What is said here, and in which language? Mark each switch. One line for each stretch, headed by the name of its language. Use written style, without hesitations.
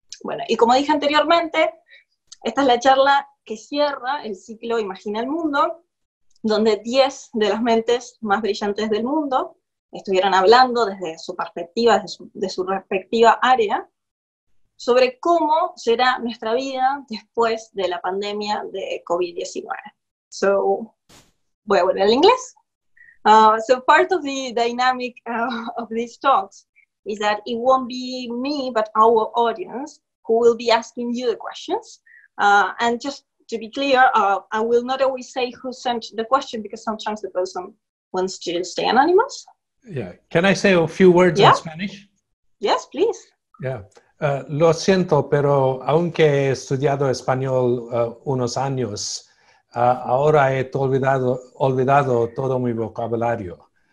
Spanish: Bueno, y como dije anteriormente, esta es la charla que cierra el ciclo Imagina el Mundo, donde 10 de las mentes más brillantes del mundo estuvieron hablando desde su perspectiva, de su respectiva área, sobre cómo será nuestra vida después de la pandemia de COVID-19.
English: So,
Spanish: voy a volver al inglés.
English: So part of the dynamic of these talks is that it won't be me, but our audience, who will be asking you the questions. And just to be clear, I will not always say who sent the question because sometimes the person wants to stay anonymous. Yeah. Can I say a few words in Spanish? Yes, please. Yeah.
Spanish: Lo siento, pero aunque he estudiado español unos años, ahora he olvidado todo mi vocabulario.